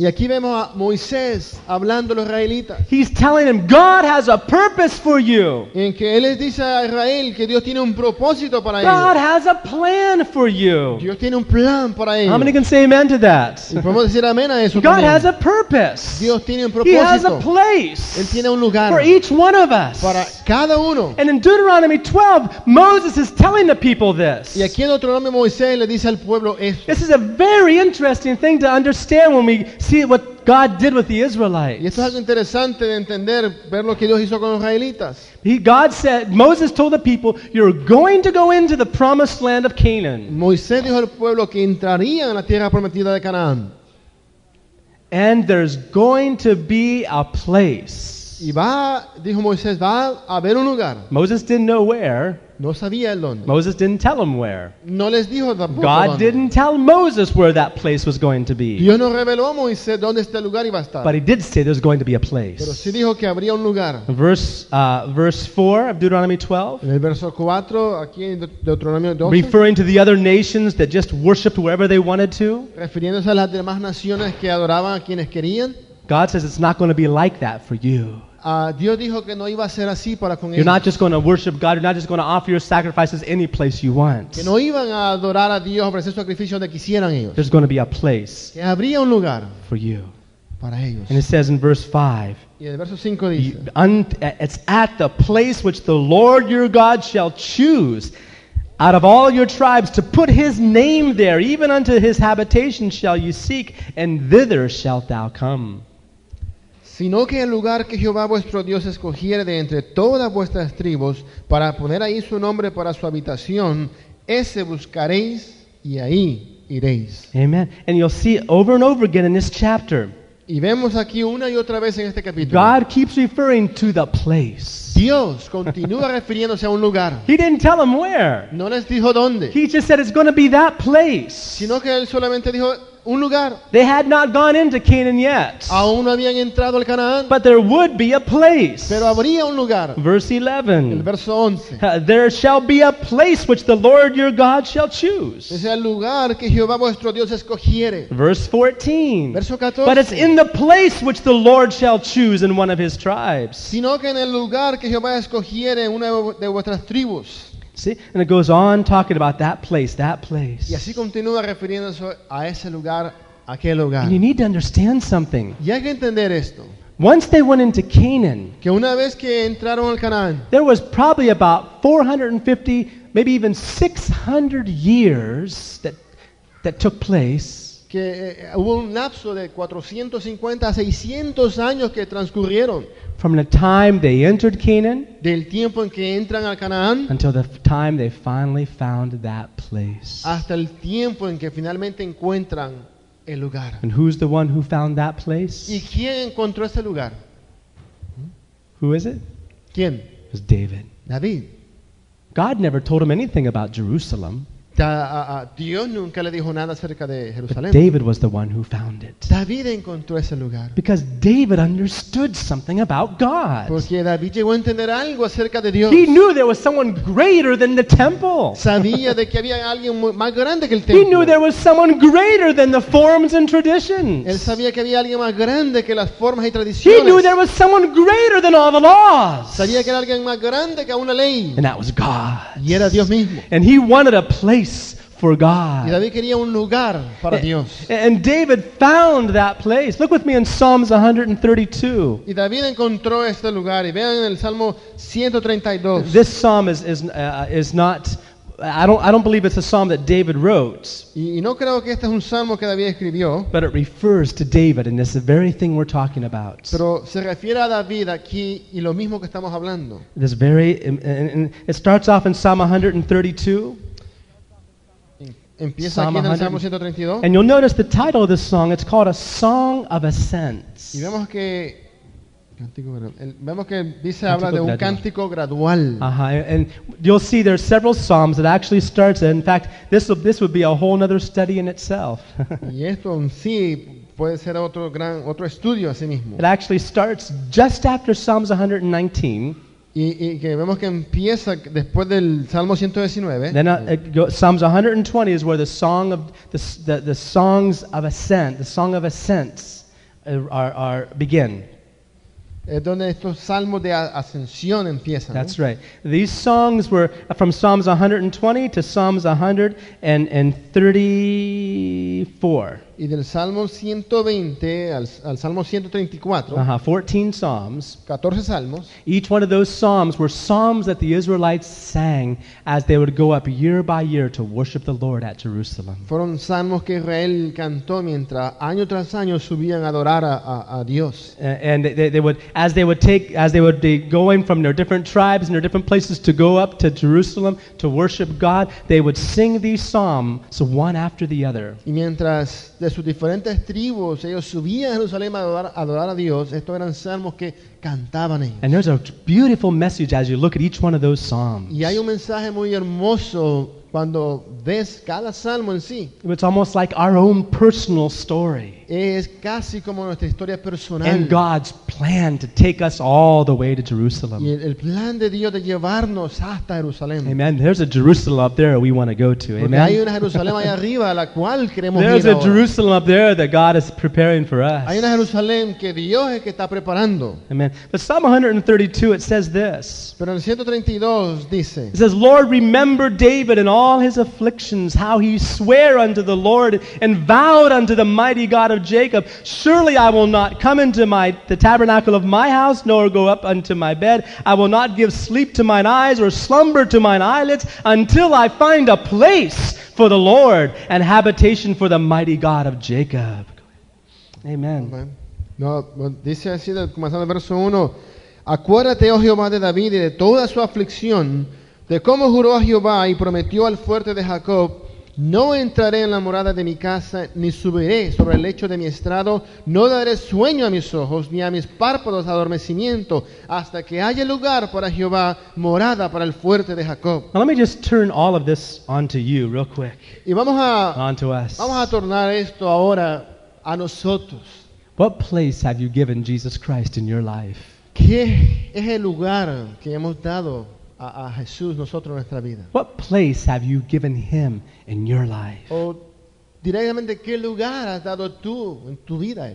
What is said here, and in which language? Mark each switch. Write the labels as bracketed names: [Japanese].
[Spanish] Y aquí vemos a Moisés hablando a los israelitas. [English] He's telling them, God has a purpose for you. [Spanish] En que él les dice a Israel que Dios tiene un propósito para ellos. [English] God has a plan for you. [Spanish] Dios tiene un plan para ellos. [English] How many can say amen to that? [Spanish] Y podemos decir amén a eso también. [English] God has a purpose. [Spanish] Dios tiene un propósito. [English] He has a place. [Spanish] Él tiene un lugar. [English] For each one of us. [Spanish] Para cada uno. [English] And in Deuteronomy 12, Moses is telling the people this. [Spanish] Y aquí en Deuteronomio Moisés le dice al pueblo esto. [English] This is a very interesting thing to understand when we see what God did with the Israelites. [Spanish] Y esto es algo interesante de entender, ver lo que Dios hizo con los israelitas. [English] God said, Moses told the people, you're going to go into the promised land of Canaan. [Spanish] Moisés dijo al pueblo que entraría en la tierra prometida de Canaán. [English] And there's going to be a place. [Spanish] Y va, dijo Moisés, va a ver un lugar. [English] Moses didn't know where. [Spanish] No sabía el dónde. [English] Moses didn't tell him where. [Spanish] No les dijo tampoco [English] God Didn't tell Moses where that place was going to be. [Spanish] Dios no reveló a Moisés dónde este lugar iba a estar. [English] But he did say there was going to be a place. [Spanish] Pero sí dijo que habría un lugar. [English] Verse 4 of Deuteronomy 12. [Spanish] En el verso 4, aquí en Deuteronomio 12. [English] Referring to the other nations that just worshipped wherever they wanted to. [Spanish] Refiriéndose a las demás naciones que adoraban a quienes querían. [English] God says it's not going to be like that for you. [Spanish] Dios dijo que no iba a ser así para con ellos. [English] You're not just going to worship God. You're not just going to offer your sacrifices any place you want. [Spanish] Que no iban a adorar a Dios, ofrecer sacrificio donde quisieran ellos. [English] There's going to be a place. [Spanish] Que habría un lugar [English] for you. [Spanish] Para ellos. [English] And it says in verse 5. [Spanish] Y el verso 5 dice, [English] it's at the place which the Lord your God shall choose out of all your tribes to put his name there, even unto his habitation shall you seek, and thither shalt thou come. [Spanish] Sino que el lugar que Jehová vuestro Dios escogiere de entre todas vuestras tribus para poner ahí su nombre para su habitación, ese buscaréis y ahí iréis. [English] Amen. And you'll see over and over again in this chapter. [Spanish] Y vemos aquí una y otra vez en este capítulo. [English] God keeps referring to the place. [Spanish] Dios continúa refiriéndose a un lugar. [English] He didn't tell him where. [Spanish] No les dijo dónde. [English] He just said it's going to be that place. [Spanish] Sino que él solamente dijo un lugar. [English] They had not gone into Canaan yet. [Spanish] Aún no habían entrado al Canaán. [English] But there would be a place. [Spanish] Pero habría un lugar. [English] Verse 11. [Spanish] El verso 11. [English] There shall be a place which the Lord your God shall choose. [Spanish] Es el lugar que Jehová vuestro Dios escogiere. [English] Verse 14. [Spanish] Verso 14. [English] But it's in the place which the Lord shall choose in one of his tribes. [Spanish] Sino que en el lugar que Jehová escogiere en una de vuestras tribus. [English] See, and it goes on talking about that place, that place. [Spanish] Y así continúa refiriéndose a ese lugar, a aquel lugar. [English] And you need to understand something. [Spanish] Y hay que entender esto. [English] Once they went into Canaan, [Spanish] que una vez que entraron al Canaán, [English] there was probably about 450, maybe even 600 years that took place. [Spanish] Que hubo un lapso de 450 a 600 años que transcurrieron. [English] From the time they entered Canaan, [Spanish] del tiempo en que entran al Canaán, [English] until the time they finally found that place, [Spanish] hasta el tiempo en que finalmente encuentran el lugar. [English] And who's the one who found that place? [Spanish] ¿Y quién encontró ese lugar? [English] Who is it? [Spanish] ¿Quién? [English] It was David. [Spanish] David. [English] God never told him anything about Jerusalem. [Spanish] Dios nunca le dijo nada acerca de Jerusalén. [English] But David was the one who found it. [Spanish] David encontró ese lugar. [English] Because David understood something about God. [Spanish] Porque David llegó a entender algo acerca de Dios. [English] He knew there was someone greater than the temple. [Spanish] Sabía de que había alguien más grande que el templo. [English] He knew there was someone greater than the forms and traditions. [Spanish] Él sabía que había alguien más grande que las formas y tradiciones. [English] He knew there was someone greater than all the laws. [Spanish] Sabía que era alguien más grande que una ley. [English] And that was God. [Spanish] Y era Dios mismo. [English] And he wanted a place. Place for God. [Spanish] Y David quería un lugar para Dios. [English] And David found that place. Look with me in Psalms 132. [Spanish] Y David encontró este lugar. Y vean el Salmo 132. [English] This psalm is not. I don't believe it's a psalm that David wrote. [Spanish] Y no creo que este es un salmo que David escribió. [English] But it refers to David, and it's the very thing we're talking about. [Spanish] Pero se refiere a David aquí y lo mismo que estamos hablando. [English] This very and it starts off in Psalm 132. [Spanish] Empieza Psalm aquí en el Salmo 132. [English] And you'll notice the title of this song. It's called a song of ascents. [Spanish] Y vemos que dice habla de un cántico gradual. [English] And you'll see there are several psalms that actually starts. In fact, this would be a whole other study in itself. [Spanish] Y esto en sí puede ser otro estudio a sí mismo. [English] It actually starts just after Psalms 119. [Spanish] Y que vemos que empieza después del Salmo 119. [English] Then Psalms 120 is where the song of the songs of ascent, the song of ascents are begin. [Spanish] Es donde estos salmos de ascensión empiezan. [English] That's right. These songs were from Psalms 120 to Psalms 134. [Spanish] Y del Salmo 120 al Salmo 134. [English] Uh-huh, 14 psalms. [Spanish] 14 salmos. [English] Each one of those psalms were psalms that the Israelites sang as they would go up year by year to worship the Lord at Jerusalem. [Spanish] Fueron salmos que Israel cantó mientras año tras año subían a adorar a Dios. [English] And they would be going from their different tribes and their different places to go up to Jerusalem to worship God, they would sing these psalms one after the other. [Spanish] Y mientras de sus diferentes tribus, ellos subían a Jerusalén a adorar a Dios. Estos eran salmos que cantaban ellos. [English] And there's a beautiful message as you look at each one of those psalms. [Spanish] Y hay un mensaje muy hermoso cuando ves cada salmo en sí. [English] It's almost like our own personal story. [Spanish] Es casi como nuestra historia personal. [English] And God's plan to take us all the way to Jerusalem. [Spanish] Y el plan de Dios de llevarnos hasta Jerusalén. [English] Amen. There's a Jerusalem up there we want to go to. Amen. [Spanish] Hay una Jerusalén allá arriba a la cual queremos [English] There's [Spanish] ir. [English] There's a Jerusalem up there that God is preparing for us. [Spanish] Hay una Jerusalén que Dios es que está preparando. [English] Amen. But Psalm 132 it says this. [Spanish] Pero en 132 dice. [English] It says, Lord, remember David and all his afflictions, how he sware unto the Lord and vowed unto the mighty God of Jacob, surely I will not come into the tabernacle of my house, nor go up unto my bed. I will not give sleep to mine eyes or slumber to mine eyelids until I find a place for the Lord and habitation for the mighty God of Jacob. Amen. [Spanish] No, dice así, comenzando el verso 1. Acuérdate, oh Jehová, de David y de toda su aflicción, de cómo juró a Jehová y prometió al fuerte de Jacob. No entraré en la morada de mi casa, ni subiré sobre el lecho de mi estrado. No daré sueño a mis ojos, ni a mis párpados adormecimiento, hasta que haya lugar para Jehová, morada para el fuerte de Jacob. [English] Now let me just turn all of this onto you real quick. [Spanish] Y vamos a tornar esto ahora a nosotros. [English] What place have you given Jesus Christ in your life? [Spanish] ¿Qué es el lugar que hemos dado a Jesús, nosotros, nuestra vida? [English] What place have you given him in your life? [Spanish] O directamente, ¿qué lugar has dado tú en tu vida?